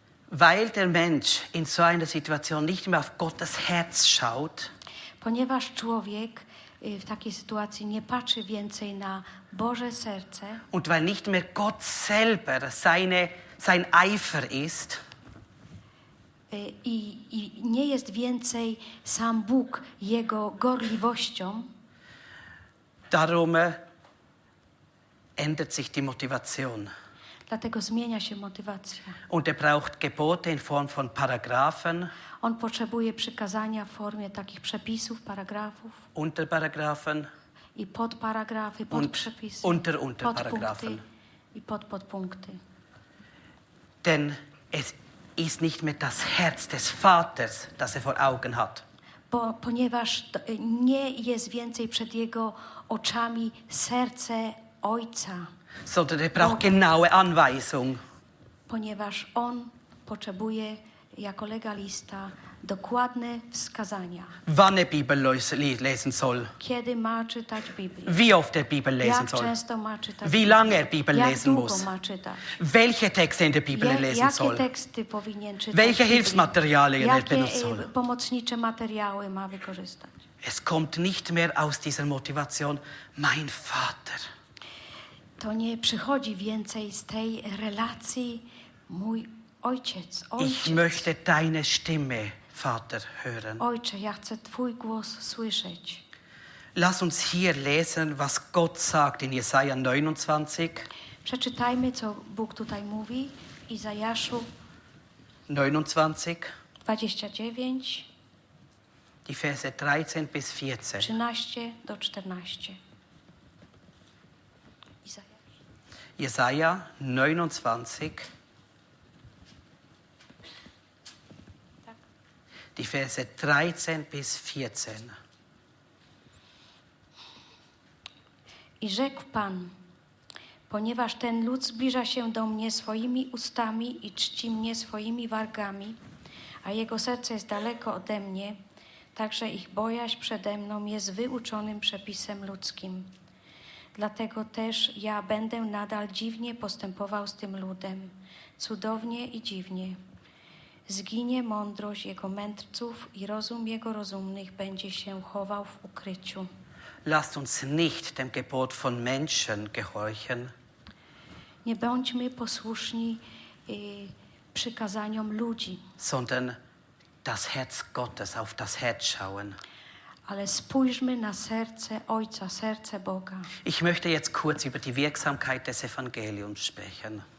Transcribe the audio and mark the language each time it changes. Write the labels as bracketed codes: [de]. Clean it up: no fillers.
[de] weil der Mensch in so einer Situation nicht mehr auf Gottes Herz schaut, [pl] ponieważ człowiek w takiej sytuacji nie patrzy więcej na Boże serce, [de] und weil nicht mehr Gott selber sein Eifer ist, [pl] i nie jest więcej sam Bóg jego gorliwością, [de] darum ändert sich die Motivation. [pl] Dlatego zmienia się motywacja. [de] Und braucht Gebote in Form von Paragraphen. [pl] On potrzebuje przykazania w formie takich przepisów, paragrafów. [de] Unterparagraphen. [pl] I podparagrafy, podprzepisy. [de] Unterunterparagraphen. [pl] I podpunkty. [de] Denn es ist nicht mehr das Herz des Vaters, das vor Augen hat. [pl] Ponieważ nie jest więcej przed jego oczami serce Ojca. [de] Sondern braucht genaue Anweisung. [pl] Ponieważ on potrzebuje jako legalista dokładne wskazania. [de] Wann er Bibel lesen soll. [pl] Kiedy ma czytać Biblię. [de] Wie oft er Bibel lesen soll. [pl] Jak często ma czytać. [de] Wie lange er Bibel lesen muss. [pl] Jak długo ma czytać. [de] Welche Texte in der Bibel lesen soll. [pl] Jakie teksty powinien czytać. [de] Welche Hilfsmateriale er benutzen soll. [pl] Jakie pomocnicze materiały ma wykorzystać. [de] Es kommt nicht mehr aus dieser Motivation, mein Vater. [pl] To nie przychodzi więcej z tej relacji mój ojciec, ojciec. [de] Ich möchte deine Stimme, Vater, hören. [pl] Ojcze, ja chcę twój głos słyszeć. [de] Lass uns hier lesen, was Gott sagt in Jesaja 29. [pl] Przeczytajmy, co Bóg tutaj mówi, Izajaszu 29. 29. [de] Die Verse 13 bis 14. [pl] 13 do 14. [de] Jesaja 29, die Verse 13 bis 14. [pl] I rzekł Pan, ponieważ ten lud zbliża się do mnie swoimi ustami i czci mnie swoimi wargami, a jego serce jest daleko ode mnie, także ich bojaźń przede mną jest wyuczonym przepisem ludzkim. Dlatego też ja będę nadal dziwnie postępował z tym ludem, cudownie i dziwnie. Zginie mądrość jego mędrców i rozum jego rozumnych będzie się chował w ukryciu. [de] Lasst uns nicht dem Gebot von Menschen gehorchen. [pl] Nie bądźmy posłuszni przykazaniom ludzi. [de] Sondern das Herz Gottes auf das Herz schauen. [pl] Ale spójrzmy na serce Ojca, serce Boga. [de] Ich möchte jetzt kurz über die Wirksamkeit des Evangeliums sprechen.